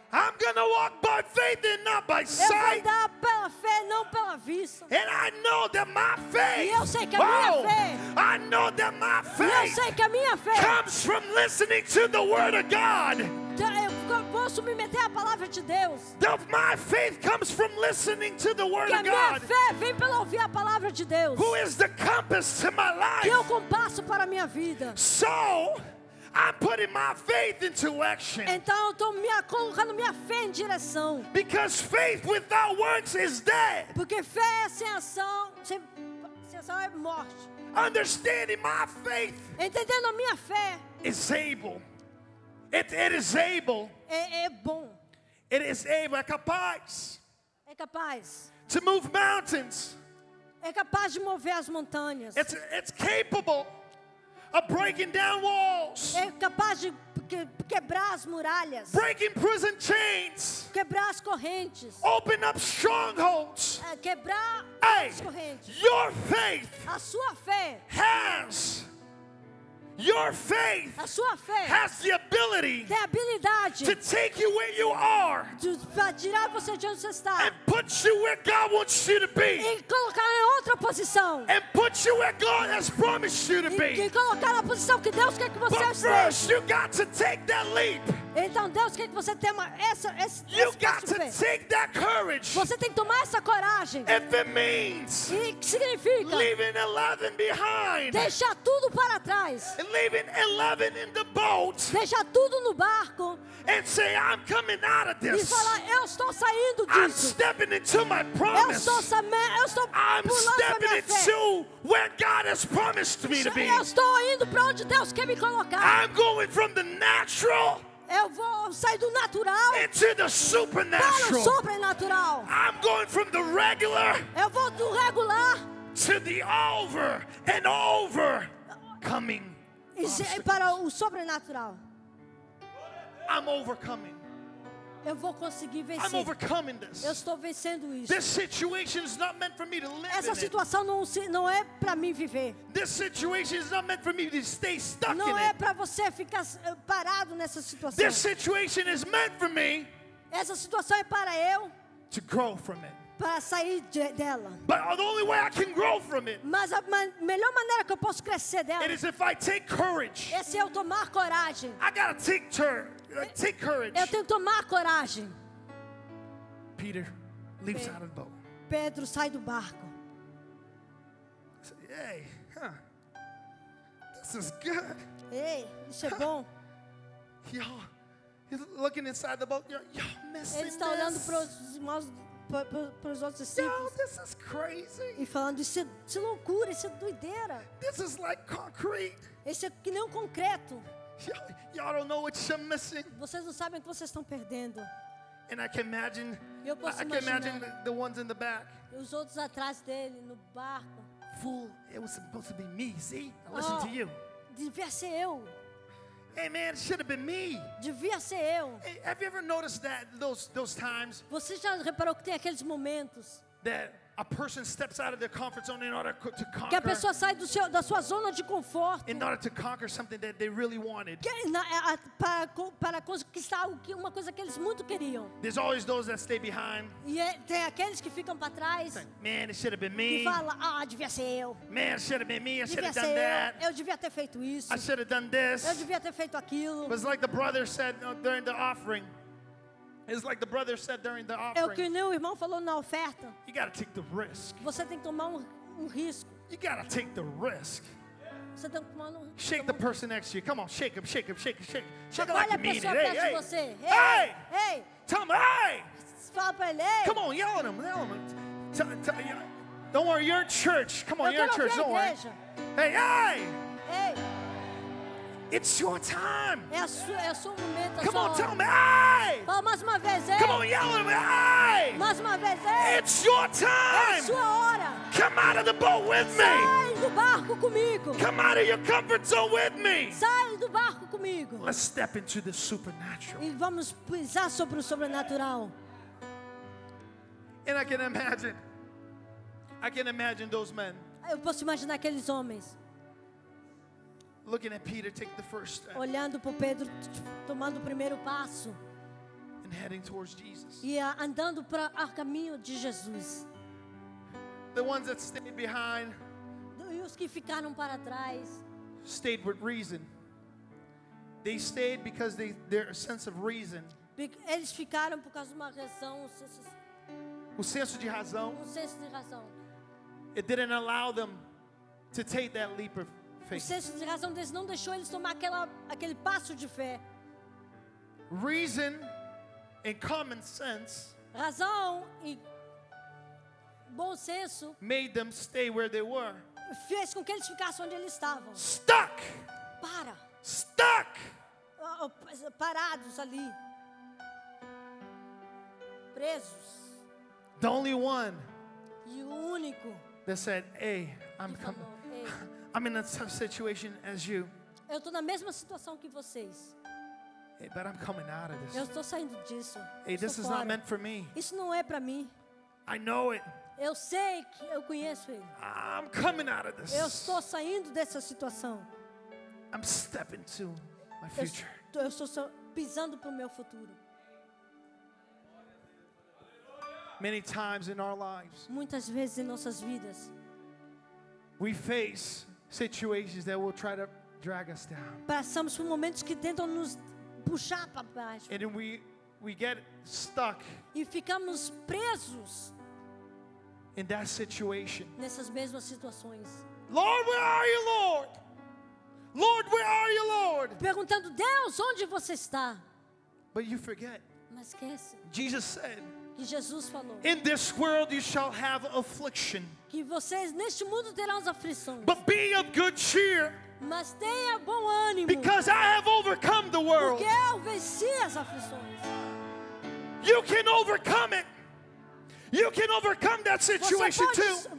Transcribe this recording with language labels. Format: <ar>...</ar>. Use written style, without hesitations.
<en>I'm gonna walk by faith and not by sight.</en> <pt>Eu vou andar pela fé, não pela vista.</pt> <en>And I know that my faith.</en> <pt>E eu sei que a minha fé.</pt> <en>I know that my faith.</en> <pt>Eu sei que a minha fé.</pt> <en>Comes from listening to the word of God.</en> <pt>Eu posso me meter à palavra de Deus.</pt> <en>My faith comes from listening to the word of God.</en> <pt>Que a minha fé vem pelo ouvir a palavra de Deus.</pt> <en>Who is the compass to my life?</en> <pt>Que é o compasso para a minha vida.</pt> <en>So. I'm putting my faith into action.</en> <pt>Então eu estou colocando minha fé em direção.</pt> <en>Because faith without works is dead.</en> <pt>Porque fé sem ação é morte.</pt> <en>Understanding my faith.</en> <pt>Entendendo a minha fé.</pt> <en>Is able. It is able.</en> <pt>É bom.</pt> <en>It is able.</en> <pt>É capaz. É capaz.</pt> <en>To move mountains.</en> <pt>É capaz de mover as montanhas.</pt> <en>It's capable. Of breaking down walls.</en> <pt>É capaz de quebrar as muralhas.</pt> <en>Breaking prison chains.</en> <pt>Quebrar as correntes.</pt> <en>Open up strongholds.</en> <pt>Quebrar as correntes.</pt> <en>Your faith.</en> <pt>A sua fé.</pt> <en>Has. Your faith.</en> <pt>A sua fé.</pt> <en>Has the ability.</en> <pt>Tem habilidade.</pt> <en>To take you where you are.</en> <pt>De tirar você de onde você está.</pt> <en>And put you where God wants you to be.</en> <pt>E colocar em outra posição.</pt> <en>And put you where God has promised you to be.</en> <pt>E colocar na posição que Deus quer que você esteja.</pt> <en>But first, you got to take that leap.</en> <pt>Então Deus quer que você tenha esse</pt> <en>You got to take that courage.</en> <pt>Você tem que tomar essa coragem.</pt> <en>If it means.</en> <pt>E que significa?</pt> <en>Leaving 11 behind.</en> <pt>Deixar tudo para trás.</pt> <en>And leaving 11 in the boat.</en> <pt>Deixa tudo no barco.</pt> <en>And say, I'm coming out of this.</en> <pt>E falar, eu estou saindo disso.</pt> <en>I'm stepping into my promise.</en> <pt>Eu estou</pt> <en>I'm stepping into where God has promised me to be.</en> <pt>Eu estou indo para onde Deus quer me colocar.</pt> <en>I'm going from the natural.</en> <pt>Eu vou sair do natural</pt> <en>into the supernatural.</en> <pt>Para o sobrenatural.</pt> <en>I'm going from the regular.</en> <pt>Eu vou do regular.</pt> <en>To the over and over. Coming.</en> <pt>E para o sobrenatural.</pt> <en>I'm overcoming.</en> <pt>Eu vou conseguir vencer.</pt> <en>I'm overcoming this.</en> <pt>Eu estou vencendo isso.</pt> <en>This situation is not meant for me to live.</en> <pt>Essa situação não é para mim viver.</pt> <en>This situation is not meant for me to stay stuck in.</en> <pt>Não é para você ficar parado nessa situação.</pt> <en>This situation is meant for me.</en> <pt>Essa situação é para eu.</pt> <en>To grow from it.</en> <pt>Para sair dela.</pt> <en>But the only way I can grow from it.</en> <pt>Mas a melhor maneira que eu posso crescer dela.</pt> <en>It is if I take courage.</en> <pt>É se eu tomar coragem.</pt> <en>I gotta take courage.</en> <pt>Eu tenho que tomar coragem.</pt> <en>Peter leaps out of the boat.</en> <pt>Pedro sai do barco.</pt> <en>Hey, huh? This is good.</en> <pt>Hey, isso é bom.</pt> <en>Y'all, looking inside the boat. You're missing.</en> <pt>Ele está olhando para os irmãos, para os outros discípulos.</pt> <en>Yo, this is crazy.</en> <pt>E falando, isso é loucura, isso é doideira.</pt> <en>This is like concrete.</en> <pt>Esse é que nem um concreto.</pt> <en>Y'all don't know what you're missing.</en> <pt>Vocês não sabem o que vocês estão perdendo.</pt> <en>And I can imagine.</en> <pt>Eu posso imaginar.</pt> <en>I can imagine the ones in the back.</en> <pt>Os outros atrás dele no barco.</pt> <en>Fool, it was supposed to be me. See, I listened to you.</en> <pt>Devia ser eu.</pt> <en>Hey man, it should have been me.</en> <pt>Devia ser eu.</pt> <en>Hey, have you ever noticed that those times?</en> <pt>Você já reparou que tem aqueles momentos?</pt> <en>That a person steps out of their comfort zone in order to conquer.</en> <pt>Que a pessoa sai do seu, da sua zona de conforto.</pt> <en>In order to conquer something that they really wanted.</en> <pt>Para conquistar uma coisa que eles muito queriam.</pt> <en>There's always those that stay behind.</en> <pt>E tem aqueles que ficam para trás.</pt> <en>Man, it should have been me.</en> <pt>E fala, devia ser eu.</pt> <en>Man, it should have been me. I should have done that.</en> <pt>Eu devia ter feito isso.</pt> <en>I should have done this.</en> <pt>Eu devia ter feito aquilo.</pt> <en>It was like the brother said during the offering. It's like the brother said during the offering.</en> <pt>É o que o irmão falou na oferta.</pt> <en>You gotta take the risk.</en> <pt>Você tem que tomar um risco.</pt> <en>You gotta take the risk.</en> <pt>Você tem que tomar um risco.</pt> <en>Shake the person next to you. Come on, shake him, shake him, shake him, shake him. Shake him like you mean it. Hey, hey,</en> <pt>você.</pt> <en>Hey, hey. Tell him, hey.</en> <pt>Fala pra ele, hey.</pt> <en>Come on, yell at him, yell at him. Tell him, don't worry, you're in church. Come on, you're in church, don't worry. Hey, hey. Hey. It's your time.</en> <pt>É a sua, momento.</pt> <en>Come</en> <pt>a sua</pt> <en>on, tell me, hey!</en> <pt>Fala mais uma vez, hey!</pt> <en>Come on, yell at me, hey!</en> <pt>Mais uma vez, hey!</pt> <en>It's your time.</en> <pt>É a sua hora.</pt> <en>Come out of the boat with me.</en> <pt>Sai do barco comigo.</pt> <en>Come out of your comfort zone with me.</en> <pt>Sai do barco comigo.</pt> <en>Let's step into the supernatural.</en> <pt>E vamos pisar sobre o sobrenatural.</pt> <en>And I can imagine those men.</en> <pt>Eu posso imaginar aqueles homens.</pt> <en>Looking at Peter take the first step.</en> <pt>Olhando para Pedro tomando o primeiro passo.</pt> <en>And heading towards Jesus.</en> <pt>E andando para o caminho de Jesus.</pt> <en>The ones that stayed behind.</en> <pt>E os que ficaram para trás.</pt> <en>Stayed with reason. They stayed because their sense of reason.</en> <pt>Eles ficaram por causa de uma razão. O senso de razão. O senso de razão.</pt> <en>It didn't allow them to take that leap of.</en> <pt>O senso de razão deles não deixou eles tomar aquele passo de fé.</pt> <en>Reason and common sense.</en> <pt>Razão e bom senso.</pt> <en>Made them stay where they were.</en> <pt>Fez com que eles ficassem onde eles estavam.</pt> <en>Stuck.</en> <pt>Para.</pt> <en>Stuck.</en> <pt>Parados ali. Presos.</pt> <en>The only one.</en> <pt>E o único.</pt> <en>That said, hey, I'm coming. I'm in a tough situation as you.</en> <pt>Eu tô na mesma situação que vocês.</pt> <en>Hey, but I'm coming out of this.</en> <pt>Eu tô saindo disso.</pt> <en>Hey, this is not meant for me.</en> <pt>Isso não é para mim.</pt> <en>I know it.</en> <pt>Eu sei que eu conheço ele.</pt> <en>I'm coming out of this.</en> <pt>Eu estou saindo dessa situação.</pt> <en>I'm stepping to my future.</en> <pt>Eu estou pisando pro meu futuro.</pt> <en>Many times in our lives.</en> <pt>Muitas vezes em nossas vidas.</pt> <en>We face situations that will try to drag us down.</en> <pt>Passamos por momentos que tentam nos puxar para baixo.</pt> <en>And we get stuck.</en> <pt>E ficamos presos.</pt> <en>In that situation.</en> <pt>Nessas mesmas situações.</pt> <en>Lord, where are you, Lord? Lord, where are you, Lord?</en> <pt>Perguntando, Deus, onde você está?</pt> <en>But you forget.</en> <pt>Mas esquece.</pt> <en>Jesus said.</en> <pt>E Jesus falou.</pt> <en>In this world you shall have affliction.</en> <pt>Que vocês neste mundo terão as aflições.</pt> <en>But be of good cheer.</en> <pt>Mas tenha bom ânimo.</pt> <en>Because I have overcome the world.</en> <pt>Porque eu venci as aflições.</pt> <en>You can overcome it. You can overcome that situation too.</en>